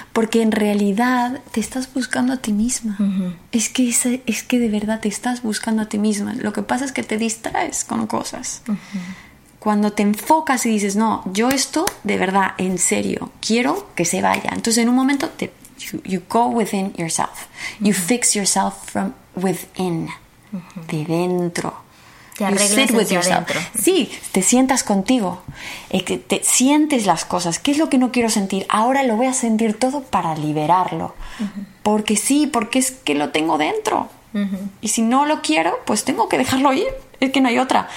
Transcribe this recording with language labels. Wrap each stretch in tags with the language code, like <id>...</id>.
<es>Porque en realidad te estás buscando a ti misma. Es que de verdad te estás buscando a ti misma. Lo que pasa es que te distraes con cosas. Cuando te enfocas y dices, no, yo esto de verdad, en serio, quiero que se vaya. Entonces en un momento</es> <en>you go within yourself. You fix yourself from within.</en> <es>De dentro. Te arreglas hacia adentro. Sí, te sientas contigo. Te sientes las cosas. ¿Qué es lo que no quiero sentir? Ahora lo voy a sentir todo para liberarlo. Porque sí, porque es que lo tengo dentro. Y si no lo quiero, pues tengo que dejarlo ir. Es que no hay otra.</es>